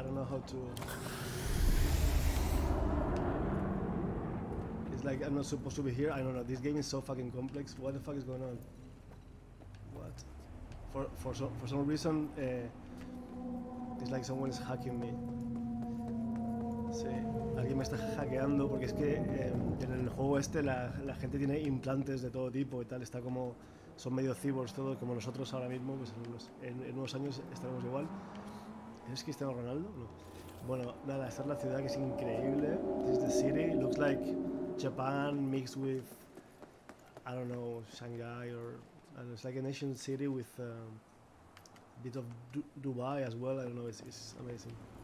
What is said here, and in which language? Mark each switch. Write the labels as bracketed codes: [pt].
[en] I don't know how to. Like, I'm not supposed to be here. I don't know. This game is so fucking complex. What the fuck is going on? What? For some reason, it's like someone is hacking me. [es] Sí, alguien me está hackeando porque es que en el juego este la gente tiene implantes de todo tipo y tal. Está como, son medio cyborgs todo, como nosotros ahora mismo. Pues en unos años estaremos igual. ¿Es Cristiano Ronaldo? No. Bueno, nada, esta es la ciudad, que es increíble. [en] This is the city. Looks like Japan mixed with, I don't know, Shanghai, or it's like an Asian city with a bit of Dubai as well. I don't know, it's amazing.